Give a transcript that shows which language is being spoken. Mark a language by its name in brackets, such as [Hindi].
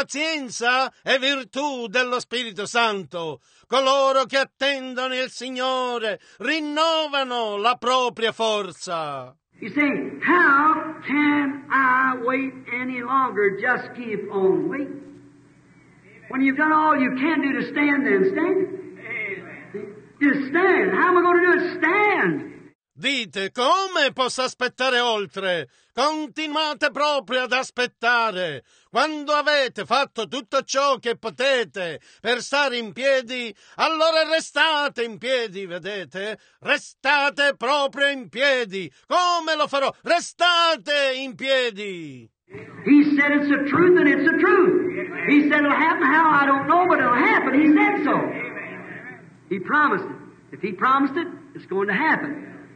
[Italian] Pazienza è virtù dello Spirito Santo. Coloro che attendono il Signore rinnovano la propria forza. [English] You say, how can I wait any longer? Just keep on waiting. When you've done all you can do to stand, then stand. Just stand. How am I going to do it? Stand. [Italian] Dite, come posso aspettare oltre? Continuate proprio ad aspettare. Quando avete fatto tutto ciò che potete per stare in piedi, allora restate in piedi, vedete? Restate proprio in piedi. Come lo farò? Restate in piedi. [English] He said it's the truth and it's the truth. He said it'll happen how I don't know, but it'll happen. He said so. He promised it. If he promised it, it's going to happen.